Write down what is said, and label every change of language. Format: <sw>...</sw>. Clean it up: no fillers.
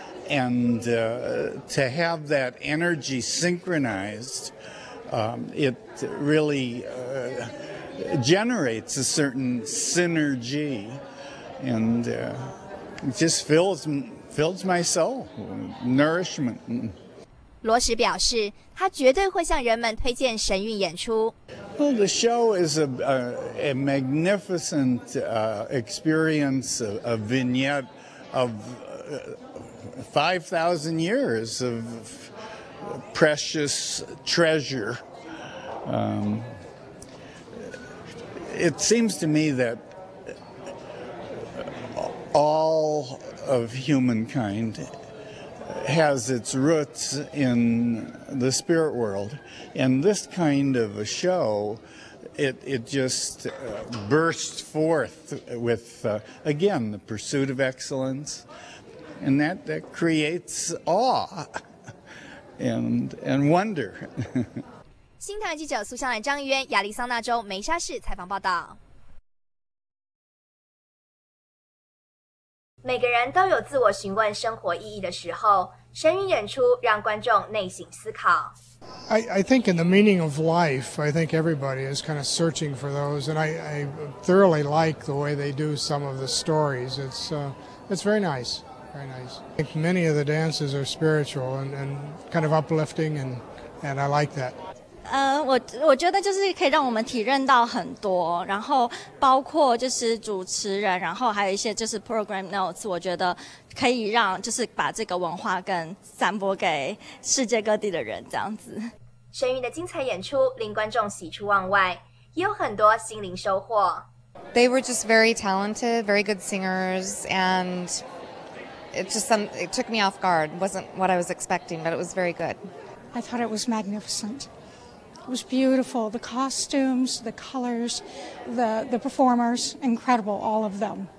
<en>And to have that energy synchronized, it really generates a certain synergy. And it just fills my soul with nourishment and</en> <zh>罗什表示，他绝对会向人们推荐《神韵》演出。</zh> <en>Well, the show is a magnificent experience, a vignette of 5,000 years of precious treasure. It seems to me that all of humankind has its roots in the spirit world, and this kind of a show, it just bursts forth with again the pursuit of excellence, and that creates awe and wonder.</en> <zh>新唐记者苏湘兰、张渊，亚利桑那州梅沙市采访报道。每个人都有自我询问生活意义的时候，神韵演出让观众内省思考。</zh> <en>I think in the meaning of life, I think everybody is kind of searching for those, and I thoroughly like the way they do some of the stories. It's very nice, very nice. I think many of the dances are spiritual and kind of uplifting, and I like that.</en> <zh>我觉得就是可以让我们体认到很多，然后包括就是主持人，然后还有一些就是</zh> <en>program notes，</en> <zh>我觉得可以让就是把这个文化更散播给世界各地的人这样子。神韵的精彩演出令观众喜出望外，也有很多心灵收获。</zh> <en>They were just very talented, very good singers, and it took me off guard. Wasn't what I was expecting, but it was very good. I thought it was magnificent. It was beautiful. The costumes, the colors, the performers, incredible, all of them.</en>